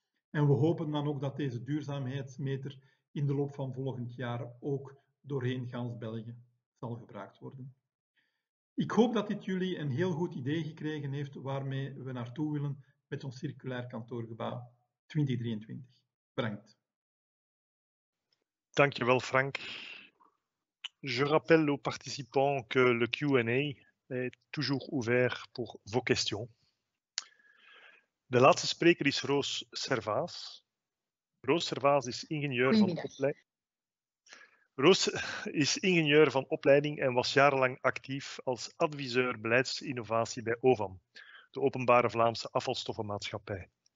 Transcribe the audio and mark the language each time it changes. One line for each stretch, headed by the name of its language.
Dutch: En we hopen dan ook dat deze duurzaamheidsmeter in de loop van volgend jaar ook doorheen gans België zal gebruikt worden. Ik hoop dat dit jullie een heel goed idee gekregen heeft waarmee we naartoe willen met ons circulair kantoorgebouw 2023. Bedankt. Dankjewel, Frank.
French: Je rappelle aux participants que le Q&A est toujours ouvert pour vos questions.
Dutch: De laatste spreker is Roos Servaas. Roos Servaas is ingenieur van opleiding. Roos is ingenieur van opleiding en was jarenlang actief als adviseur beleidsinnovatie bij OVAM, de Openbare Vlaamse Afvalstoffenmaatschappij.